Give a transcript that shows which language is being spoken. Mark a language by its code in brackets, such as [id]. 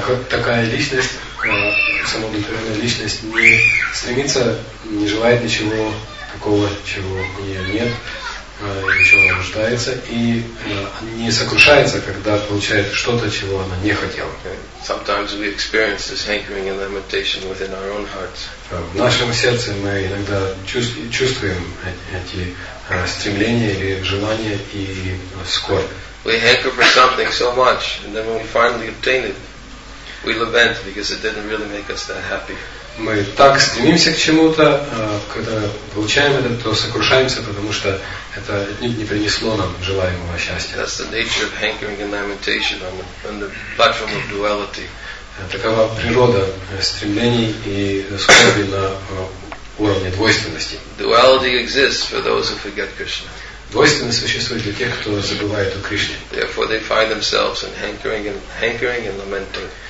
[ru] Такая личность, самовлюбленная личность, не стремится, не желает ничего такого, чего у нее нет, ничего нуждается, и не сокрушается, когда получает что-то, чего она не хотела. [en] Sometimes we experience this hankering and lamentation within our own hearts. [ru] В нашем сердце мы иногда чувствуем эти стремления или желания и скорбь. [en] We hanker for something so much, and then when we finally obtain it, we lament because it didn't really make us that happy. [ru] Мы так стремимся к чему-то, когда получаем это, то сокрушаемся, потому что это не принесло нам желаемого счастья. [en] That's the nature of hankering and lamentation on the platform of duality. [ru] Такова природа стремлений и скорби на уровне двойственности. [en] Duality exists for those who forget Krishna. [ru] Двойственность существует для тех, кто забывает о Кришне. [en] Therefore they find themselves in hankering and lamenting.